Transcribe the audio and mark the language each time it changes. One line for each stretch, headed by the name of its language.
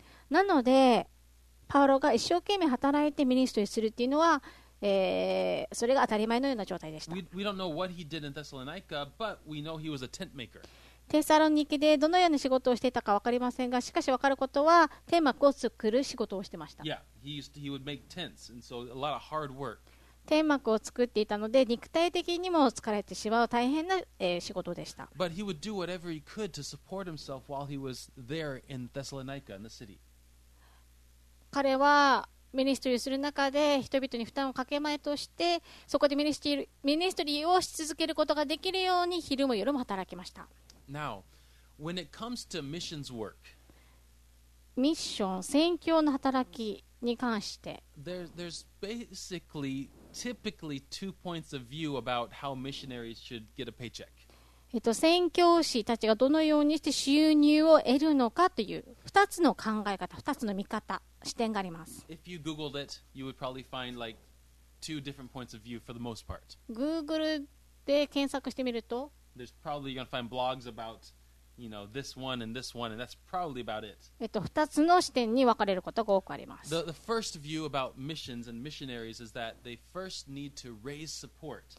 Japanese: なのでパウロが一生懸命働いてミニストリーするというのは、それが当たり前のような状態でした。
English: we don't know what he did in Thessalonica, but we know he was a tent maker.
Japanese: テサロニキでどのような仕事をしていたか分かりませんが、しかし分かることは天幕を作る仕事をしていました。
English: yeah, he would make tents, and so a lot of hard work.
Japanese: 天幕を作っていたので肉体的にも疲れてしまう大変な、仕事でした。
English: But he would do whatever he could to support himself while he was there in Thessalonica in the city.
Japanese: 彼はミニストリーする中で人々に負担をかけまいとしてそこでミニストリーをし続けることができるように昼も夜も働きました。
English: Now, when it comes to missions work,
Japanese: ミッション、宣教の働きに関して
English: there's basically typically two points of view about how missionaries should get a paycheck.
Japanese: 宣教師たちがどのようにして収入を得るのかという2つの考え方、2つの見方、視点があります。
English: If you googled it, you would probably find like two different points of view for the most part.
Japanese: Google で検索してみると
English: There's probably you're going to find blogs about, you know, this one and this one, and that's probably about it.
Japanese: 2つの視点に分かれることが多くあります。
English: The first view about missions and missionaries is that they first need to raise support.